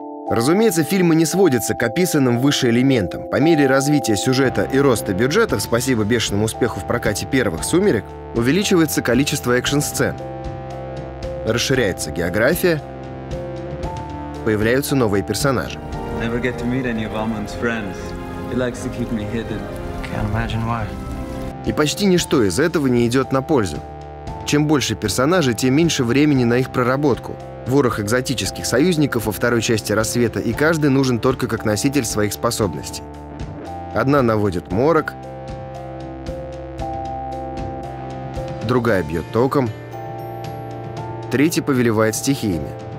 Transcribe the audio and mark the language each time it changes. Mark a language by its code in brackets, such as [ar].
[ru] Разумеется, фильмы не сводятся к описанным выше элементам. По мере развития сюжета и роста бюджетов, спасибо бешеному успеху в прокате первых «Сумерек», увеличивается количество экшн-сцен. Расширяется география. Появляются новые персонажи. [en] Never get to meet any of Almond's friends. He likes to keep me hidden. Can't imagine why. [ru] И почти ничто из этого не идет на пользу. Чем больше персонажей, тем меньше времени на их проработку. Ворох экзотических союзников во второй части «Рассвета», и каждый нужен только как носитель своих способностей. Одна наводит морок, другая бьет током, третья повелевает стихиями.